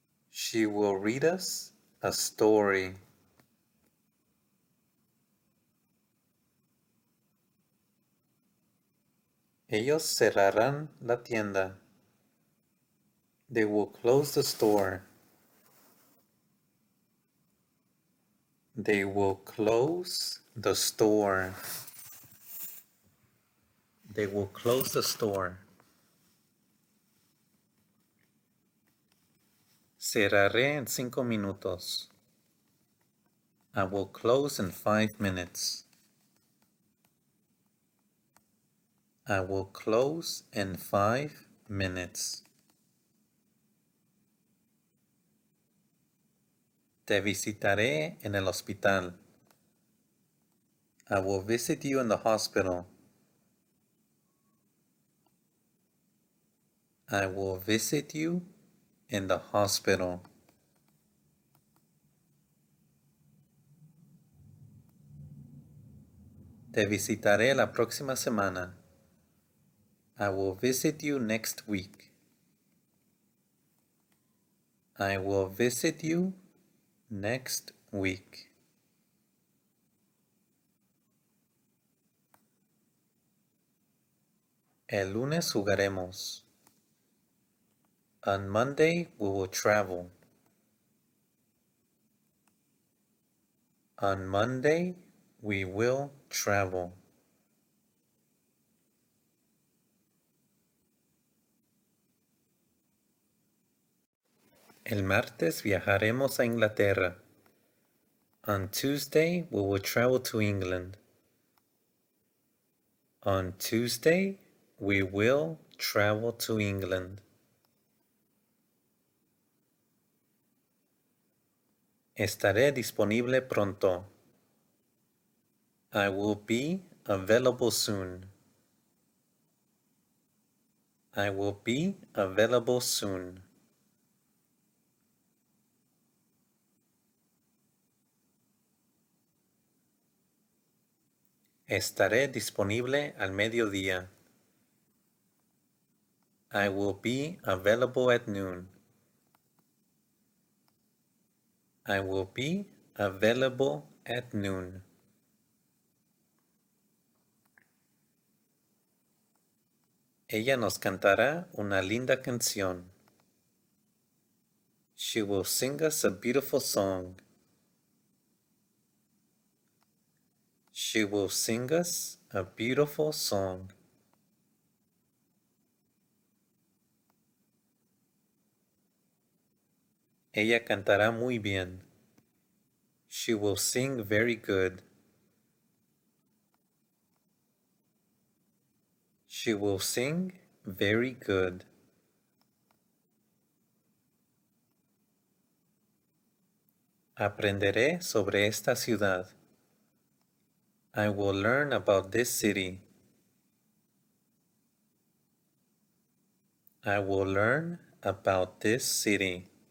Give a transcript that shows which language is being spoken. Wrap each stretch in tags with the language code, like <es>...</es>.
<en>She will read us a story.</en> <es>Ellos cerrarán la tienda.</es> <en>They will close the store. They will close the store. They will close the store.</en> <es>Cerraré en 5 minutos.</es> <en>I will close in 5 minutes. I will close in 5 minutes.</en> <es>Te visitaré en el hospital.</es> <en>I will visit you in the hospital. I will visit you in the hospital.</en> <es>Te visitaré la próxima semana.</es> <en>I will visit you next week. I will visit you next week.</en> <es>El lunes jugaremos.</es> <en>On Monday we will travel. On Monday we will travel.</en> <es>El martes viajaremos a Inglaterra.</es> <en>On Tuesday, we will travel to England. On Tuesday, we will travel to England.</en> <es>Estaré disponible pronto.</es> <en>I will be available soon. I will be available soon.</en> <es>Estaré disponible al mediodía.</es> <en>I will be available at noon. I will be available at noon.</en> <es>Ella nos cantará una linda canción.</es> <en>She will sing us a beautiful song. She will sing us a beautiful song.</en> <es>Ella cantará muy bien.</es> <en>She will sing very good. She will sing very good.</en> <es>Aprenderé sobre esta ciudad.</es> <en>I will learn about this city. I will learn about this city.</en>